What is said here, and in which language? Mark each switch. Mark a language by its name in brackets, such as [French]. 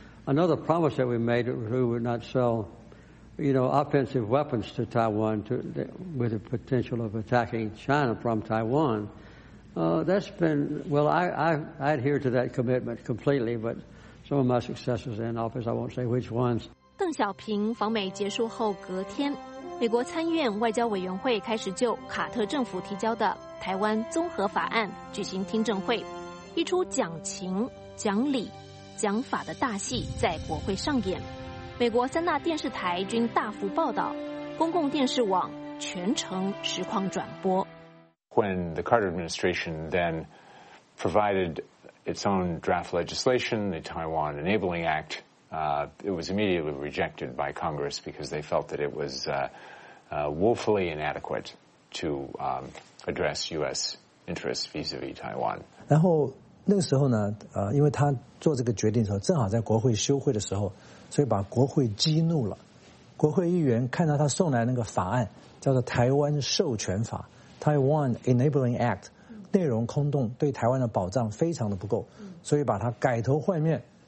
[English] Another promise that we made was we would not sell, you know, offensive weapons to Taiwan with the potential of attacking China from Taiwan. That's been, well, I adhere to that commitment completely, but some of my successors in office, I won't say which ones. [Chinese] 邓小平访美结束后隔天，美国参议院外交委员会开始就卡特政府提交的台湾综合法案举行听证会，一出讲情、讲理、讲法的大戏在国会上演。美国三大电视台均大幅报道，公共电视网全程实况转播。 [English] When the Carter administration then provided its own draft legislation, the Taiwan Enabling Act, it was immediately rejected by Congress because they felt that it was woefully inadequate to address U.S. interests vis-à-vis Taiwan. [Chinese] 然后那个时候呢，因为他做这个决定的时候，正好在国会休会的时候，所以把国会激怒了。国会议员看到他送来那个法案，叫做《台湾授权法》（Taiwan Enabling Act）， 内容空洞，对台湾的保障非常的不够，所以把它改头换面。